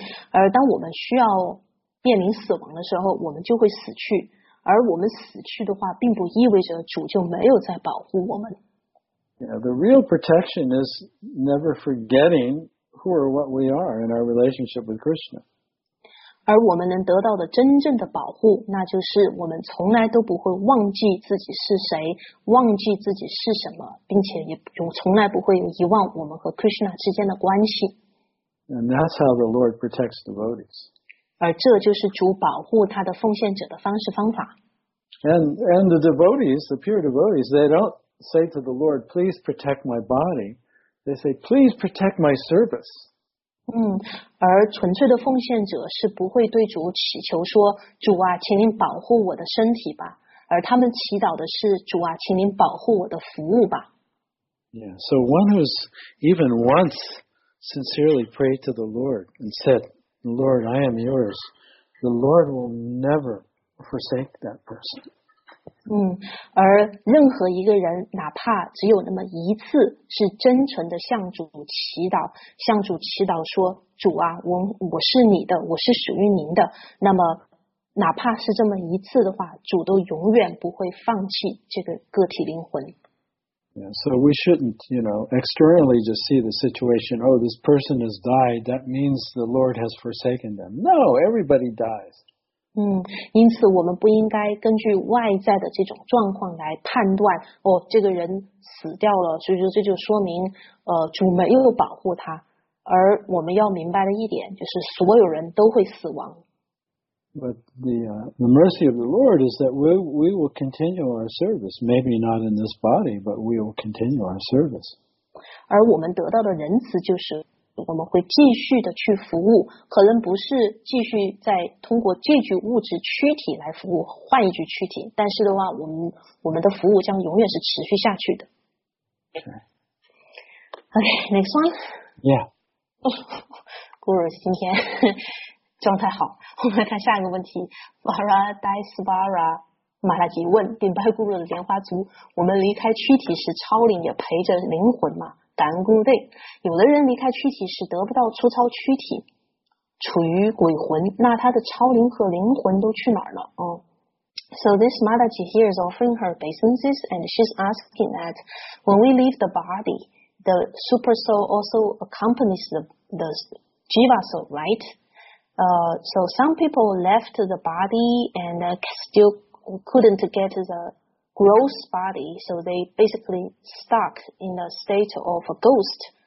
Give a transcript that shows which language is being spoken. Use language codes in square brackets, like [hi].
[zh] 而当我们需要面临死亡的时候，我们就会死去，而我们死去的话，并不意味着主就没有在保护我们。 [en] Yeah, the real protection is never forgetting who or what we are in our relationship with Krishna. [zh] 而我们能得到的真正的保护，那就是我们从来都不会忘记自己是谁，忘记自己是什么，并且也从来不会遗忘我们和 Krishna 之间的关系。 [en] And that's how the Lord protects devotees. [zh] 而这就是主保护他的奉献者的方式方法。 [en] And the devotees, the pure devotees, they don't. Say to the Lord, please protect my body. They say, please protect my service. [zh] 而纯粹的奉献者是不会对主祈求说，主啊，请您保护我的身体吧。而他们祈祷的是，主啊，请您保护我的服务吧。 [en] Yeah, so one who's even once sincerely prayed to the Lord and said, Lord, I am yours, the Lord will never forsake that person. [zh] 而任何一个人哪怕只有那么一次是真诚的向主祈祷，向主祈祷说，主啊，我是你的，我是属于您的，那么哪怕是这么一次的话，主都永远不会放弃这个个体灵魂。 [en] Yeah, so we shouldn't, you know, externally just see the situation, oh, this person has died, that means the Lord has forsaken them. No, everybody dies. [zh] 因此我们不应该根据外在的这种状况来判断，哦，这个人死掉了，所以说这就说明，主没有保护他。而我们要明白的一点就是所有人都会死亡。 [en] But the mercy of the Lord is that we will continue our service, maybe not in this body, but we will continue our service. [zh] 而我们得到的仁慈就是我们会继续的去服务，可能不是继续在通过这具物质躯体来服务，换一具躯体，但是的话，我们的服务将永远是持续下去的。 [en] Okay, next one. Yeah. [zh] 古尔今天状态好，我们来看下一个问题。 Vara Daisvara Malaji 问顶拜古鲁的莲花族，我们离开躯体时超灵也陪着灵魂吗？答案固定，有的人离开躯体时得不到出超躯体，处于鬼魂，那他的超灵和灵魂都去哪儿了？ [en] So this Malaji here is offering her obeisances and she's asking that when we leave the body, the super soul also accompanies the jiva soul, right? So some people left the body and still couldn't get the gross body, so they basically stuck in a state of a ghost.